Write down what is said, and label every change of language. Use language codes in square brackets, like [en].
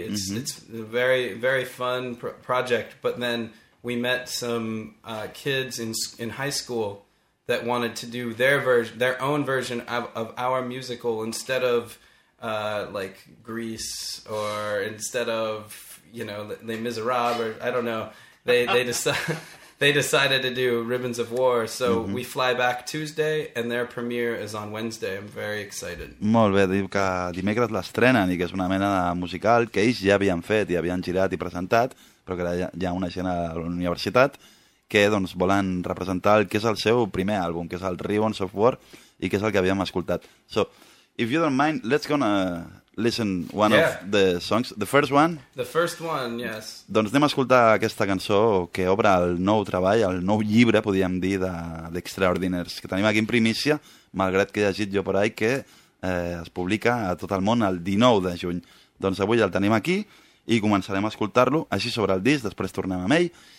[en] It's, it's a very, very fun project. But then we met some kids in high school that wanted to do their own version of our musical instead of, like Grease or instead of, you know, Les Miserables or I don't know, they decided to do Ribbons of War. So we fly back Tuesday and their premiere is on Wednesday. I'm very excited. [ca] Molt bé, diu que dimecres l'estrenen i que és una mena de musical que ells ja havien fet i havien girat i presentat, però que ara hi ha una escena a la universitat que doncs volen representar el que és el seu primer àlbum, que és el Ribbons of War i que és el que havíem escoltat. [en] So, if you don't mind, let's gonna listen one of the songs. The first one? The first one, yes. [ca] Doncs anem a escoltar aquesta cançó que obre el nou treball, el nou llibre, podríem dir, de l'Extraordinaires, que tenim aquí en primícia, malgrat que he llegit jo per ahí, que es publica a tot el món el 19 de juny. Doncs avui el tenim aquí i començarem a escoltar-lo així sobre el disc, després tornem amb ell.